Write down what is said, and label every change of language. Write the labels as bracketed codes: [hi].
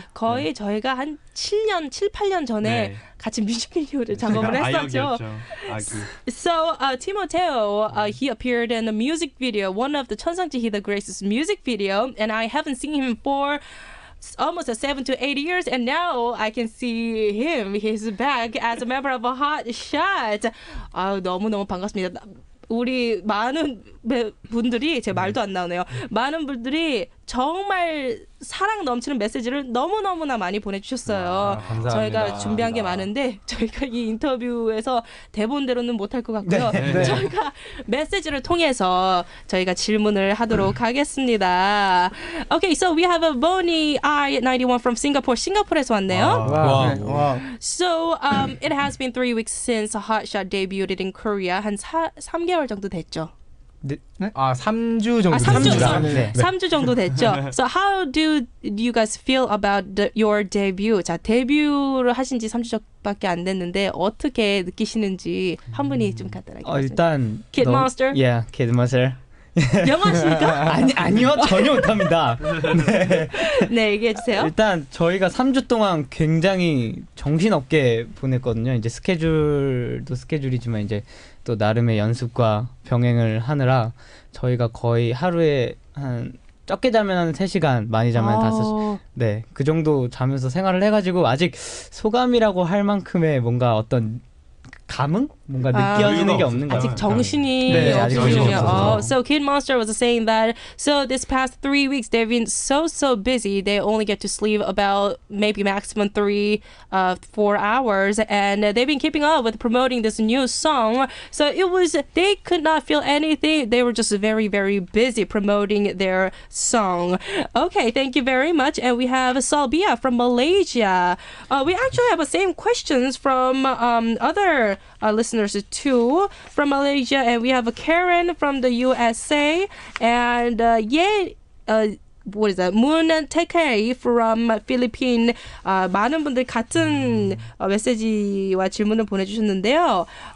[ko] 거의 저희가 한 7년, 7, 8년 전에 같이 뮤직비디오를 작업을 했었죠. [en] So, Timoteo, he appeared in a music video, one of the 천상지 He the Grace's music video, and I haven't seen him for almost 7 to 8 years, and now I can see him. He's back as a member of a HOTSHOT. [ko] 아, 너무 너무 반갑습니다. 우리 많은 분들이 제 말도 안 나오네요. 많은 분들이 정말 사랑 넘치는 메시지를 너무 너무나 많이 보내주셨어요. 아, 저희가 준비한 게 많은데 저희가 이 인터뷰에서 대본대로는 못할 것 같고요. 네. 저희가 메시지를 통해서 저희가 질문을 하도록 하겠습니다. [en] Okay, so we have a Bonnie I91 from Singapore. [ko] 싱가포르에서 왔네요. 와, 와, 와. 와. [en] So it has been 3 weeks since HOTSHOT debuted in Korea. [ko] 한 3개월 정도 됐죠. 네? 아, 3주 정도 3주 정도 됐죠. [en] So how do you guys feel about your debut? [ko] 자, 데뷔를 하신 지 3주밖에 안 됐는데 어떻게 느끼시는지 한 분이 좀 간단하게. 어, 일단 [en] Kid Monster. Yeah, Kid Monster. [ko] 영화십니까? 아니요. 전혀 못합니다. 네. 네, 얘기해 주세요. 일단 저희가 3주 동안 굉장히 정신없게 보냈거든요. 이제 스케줄도 스케줄이지만 이제 또 나름의 연습과 병행을 하느라 저희가 거의 하루에 한 적게 자면 한 3시간, 많이 자면 5시간, 네, 그 정도 자면서 생활을 해가지고 아직 소감이라고 할 만큼의 뭔가 어떤 감흥? 뭔가 느껴지는 게 없는 거예요. 아직 정신이 없으셔. [en] So Kid Monster was saying that so this past 3 weeks they've been so so busy. They only get to sleep about maybe maximum 3-4 hours, and they've been keeping up with promoting this new song. So it was, they could not feel anything. They were just very very busy promoting their song. Okay, thank you very much. And we have Salbia from Malaysia. We actually have the same questions from other listeners. There's two from Malaysia, and we have a Karen from the USA, and what is that? Moon Teke from Philippines. [ko] 많은 분들 같은 메시지와 질문을 보내주셨는데요.